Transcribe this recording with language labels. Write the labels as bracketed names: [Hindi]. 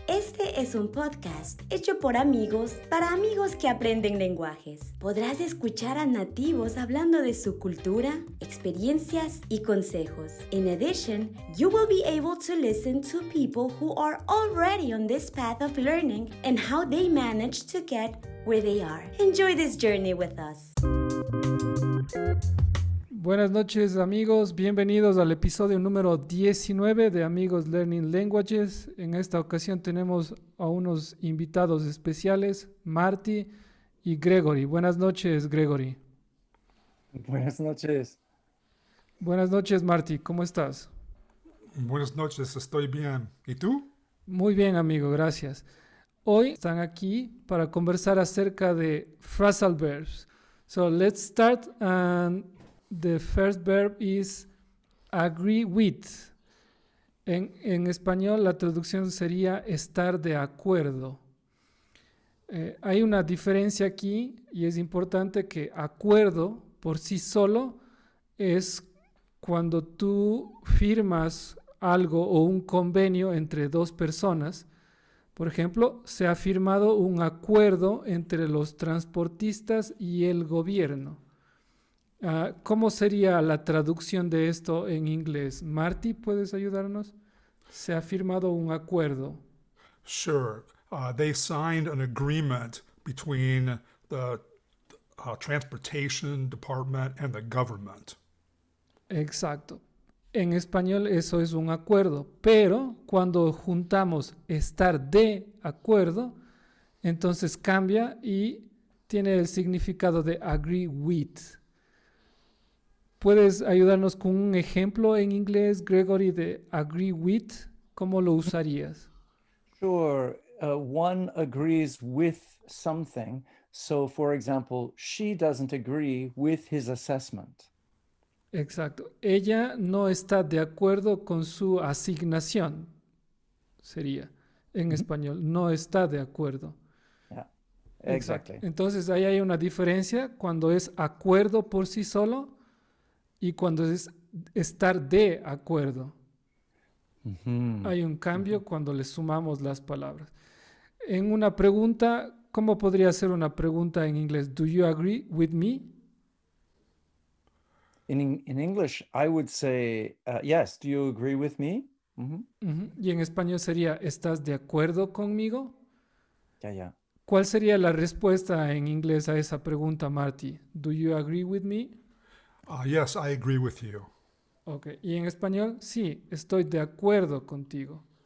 [Spanish] Este es un podcast hecho por amigos para amigos que aprenden lenguajes. Podrás escuchar a nativos hablando de su cultura, experiencias y consejos. [English] In addition, you will be able to listen to people who are already on this path of learning and how they managed to get where they are. Enjoy this journey with us. [Spanish] Buenas noches, amigos. Bienvenidos al episodio número 19 de Amigos Learning Languages. En esta ocasión tenemos a unos invitados especiales, Marty y Gregory. Buenas noches, Gregory. Buenas noches. Buenas noches, Marty. ¿Cómo estás? Buenas noches. Estoy bien. ¿Y tú? Muy bien, amigo. Gracias. Hoy están aquí para conversar acerca de phrasal verbs. [English] So, let's start and... The first verb is agree with. [Spanish] En español, la traducción sería estar de acuerdo. Hay una diferencia aquí y es importante que acuerdo por sí solo es cuando tú firmas algo o un convenio entre dos personas. Por ejemplo, se ha firmado un acuerdo entre los transportistas y el gobierno. ¿Cómo sería la traducción de esto en inglés? Marty, ¿puedes ayudarnos? Se ha firmado un acuerdo. [English] Sure. They signed an agreement between the transportation department and the government. [Spanish] Exacto. En español eso es un acuerdo, pero cuando juntamos estar de acuerdo, entonces cambia y tiene el significado de agree with. ¿Puedes ayudarnos con un ejemplo en inglés, Gregory, de agree with? ¿Cómo lo usarías? [English] Sure. One agrees with something. So, for example, she doesn't agree with his assessment. [Spanish] Exacto. Ella no está de acuerdo con su asignación, sería en español. No está de acuerdo. [English] Yeah. Exactly. [Spanish] Exacto. Entonces, ahí hay una diferencia cuando es acuerdo por sí solo... Y cuando es estar de acuerdo, hay un cambio cuando le sumamos las palabras. En una pregunta, ¿cómo podría ser una pregunta en inglés? [English] Do you agree with me? In English, I would say, yes, do you agree with me? Mm-hmm. [Spanish] Y en español sería, ¿estás de acuerdo conmigo? [English] Yeah. [Spanish] ¿Cuál sería la respuesta en inglés a esa pregunta, Marty? [English] Do you agree with me? Yes, I agree with you. Okay. [Spanish] Y en español, sí, estoy de acuerdo contigo.